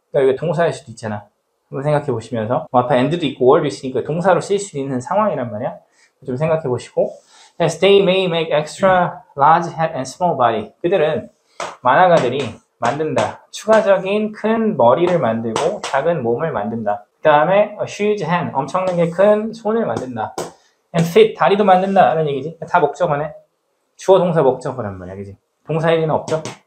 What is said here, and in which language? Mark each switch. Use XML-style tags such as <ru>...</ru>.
<ko>그러니까 이게 동사일 수도 있잖아. 한번 생각해 보시면서 뭐 앞에 and도 있고 or도 있으니까 동사로 쓸 수 있는 상황이란 말이야. 좀 생각해 보시고.</ko> <en>As they may make extra large head and small body.</en> <ko>그들은 만화가들이 만든다. 추가적인 큰 머리를 만들고 작은 몸을 만든다. 그 다음에</ko> <en>a huge hand,</en> <ko>엄청나게 큰 손을 만든다.</ko> <en>and feet,</en> <ko>다리도 만든다 라는 얘기지. 다 목적어네. 주어 동사 목적어란 말이야, 그지? 동사 일리는 없죠?</ko>